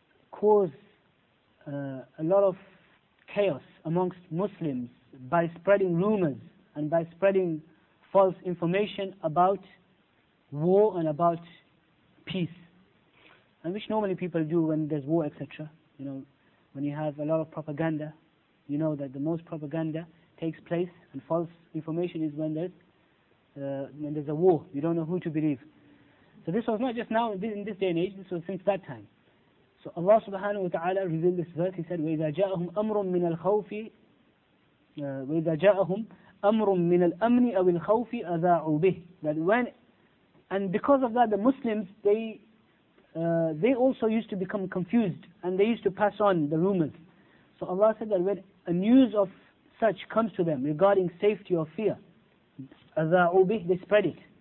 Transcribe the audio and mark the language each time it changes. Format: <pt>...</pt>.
<en>cause a lot of chaos amongst Muslims by spreading rumors and by spreading false information about war and about peace. And which normally people do when there's war, etc. You know, when you have a lot of propaganda, you know that the most propaganda takes place and false information is when there's a war. You don't know who to believe. So this was not just now in this day and age. This was since that time. So Allah Subhanahu wa Taala revealed this verse. He said,</en> <ar>"وَإِذَا جَاءَهُمْ أَمْرٌ مِنَ الْخَوْفِ وَإِذَا جَاءَهُمْ أَمْرٌ مِنَ الْأَمْنِ أَوِ الْخَوْفِ أَذَاعُوا بِهِ."</ar> <en>That when, and because of that, the Muslims they also used to become confused and they used to pass on the rumors. So Allah said that when a news of such comes to them regarding safety or fear,</en> <ar>أَذَاعُوا بِهِ,</ar> <en>they spread it.</en>